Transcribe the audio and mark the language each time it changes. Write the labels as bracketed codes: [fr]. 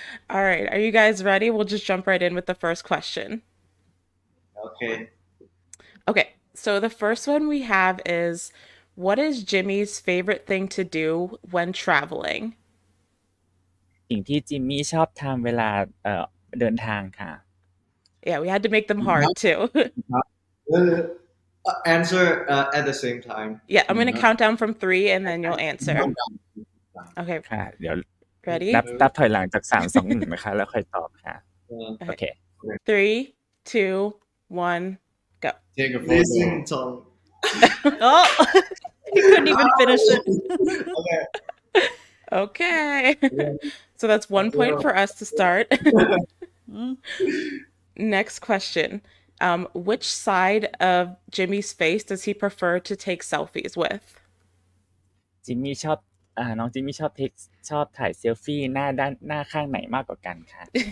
[en] All right. Are you guys ready? We'll just jump right in with the first question. Okay. Okay. So the first one we have is, what is Jimmy's favorite thing to do when traveling? [th] สิ่งที่ Jimmy ชอบทำเวลาเดินทางค่ะ [en] Yeah, we had to make them hard too. Answer at the same time. Yeah, I'm going to count down from 3 and then you'll answer. Okay. [th] ค่ะเดี๋ยว [en] Ready? [th] นับถอยหลังจาก 3 2 1 นะคะแล้วค่อยตอบค่ะ Okay. [en] 3 2 1 go. Take a photo. Listen to me. Oh, he couldn't even finish it. Okay. So that's 1 point for us to start. Next question. Which side of Jimmy's face does he prefer to take selfies with? [th] Jimmy ชอบน้องJimmy ชอบถ่ายเซลฟี่หน้าด้านหน้าข้างไหนมากกว่ากันค่ะ